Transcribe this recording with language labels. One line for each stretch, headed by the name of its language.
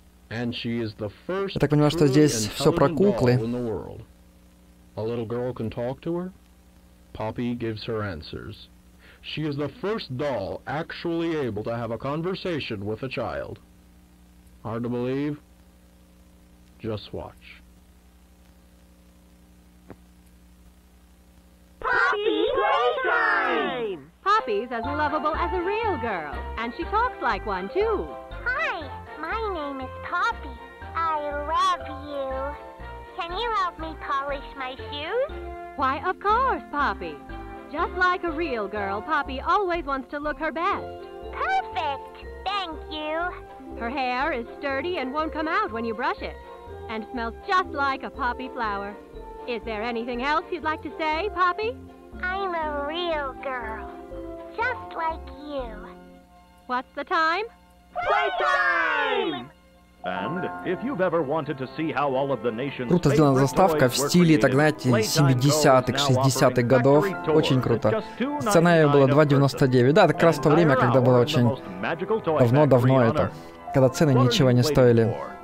Russian: Я так понимаю, что здесь все про куклы.
English: A little girl can talk to her. Poppy gives her answers. She is the first doll actually able to have a conversation with a child. Hard to believe? Just watch. Poppy Playtime! Poppy's as lovable as a real girl, and she talks like one too. Hi, my name is Poppy. I love you. Can you help me polish my shoes? Why, of course, Poppy. Just like a real girl, Poppy always wants to look her best. Perfect. Thank you. Her hair is sturdy and won't come out when you brush it. And smells just like a poppy flower. Is there anything else you'd like to say, Poppy? I'm a real girl. Just like you. What's the time? Playtime! And if you've ever wanted to see how all of the nation's
Russian: круто сделана заставка в стиле, так знаете, 70-х, 60-х годов. Очень круто. Цена ее была 2,99. Да, это как раз то время, когда было очень давно-давно это. Когда цены ничего не стоили.